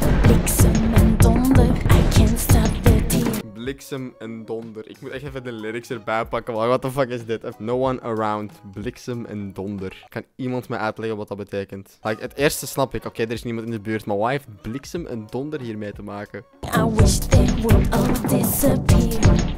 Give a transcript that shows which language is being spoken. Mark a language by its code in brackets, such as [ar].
[nl] Bliksem en donder, [en] I can't stop the tears. [nl] Bliksem en donder. Ik moet echt even de lyrics erbij pakken. [en] What the fuck [nl] is dit? [en] No one around. [nl] Bliksem en donder. Kan iemand mij uitleggen wat dat betekent? Like, het eerste snap ik. Oké, er is niemand in de buurt. Maar waar heeft bliksem en donder hiermee te maken? [en] I wish they would all disappear.